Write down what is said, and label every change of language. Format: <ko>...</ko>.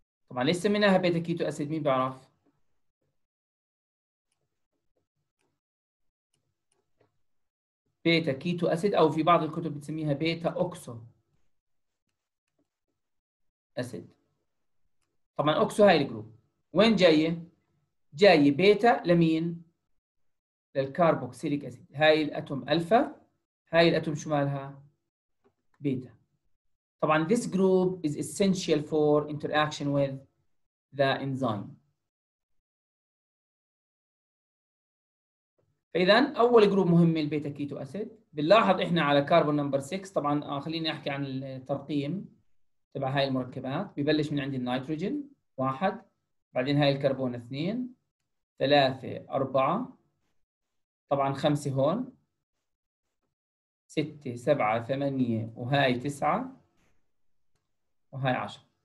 <ar>طبعا ليش سميناها بيتا كيتو اسيد؟ مين بيعرف؟ بيتا كيتو اسيد او في بعض الكتب بتسميها بيتا اوكسو اسيد. طبعا اوكسو هاي الجروب وين جايه؟ جايه بيتا لمين؟ للكاربوكسيليك اسيد. هاي الاتوم الفا، هاي الاتوم شمالها بيتا. طبعا</ar> <en>this group is essential for interaction with the enzyme.</en> <ar>فإذا أول جروب مهم البيتا كيتو أسيد. بنلاحظ إحنا على كاربون نمبر 6، طبعا خليني أحكي عن الترقيم تبع هاي المركبات. ببلش من عند النيتروجين 1، بعدين هاي الكربون 2، 3، 4، طبعا 5 هون، 6، 7، 8، وهاي 9، وهاي 10.</ar>